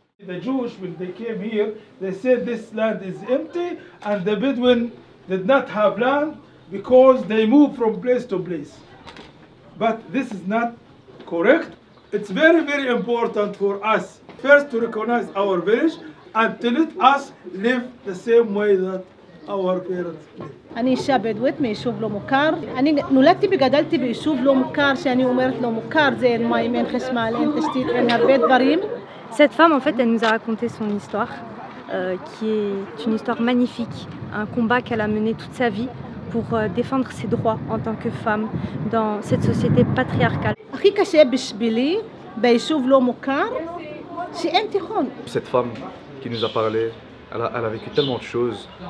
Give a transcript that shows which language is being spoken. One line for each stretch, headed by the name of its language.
English: The Jewish, when they came here, they said this land is empty and the Bedouin did not have land because they moved from place to place. But this is not correct. It's very, very important for us first to recognize our village and to let us live the same way that our parents live.
Hebrew: אני אישה בדואית מיישוב לא מוכר. אני נולדתי וגדלתי ביישוב לא מוכר שאני אומרת לא מוכר. זה אין מים, אין חשמל, אין תשתית, אין הרבה דברים.
French: Cette femme, en fait, elle nous a raconté son histoire, qui est une histoire magnifique, un combat qu'elle a mené toute sa vie pour défendre ses droits en tant que femme dans cette société patriarcale. Cette femme qui nous a parlé, elle a vécu tellement de choses.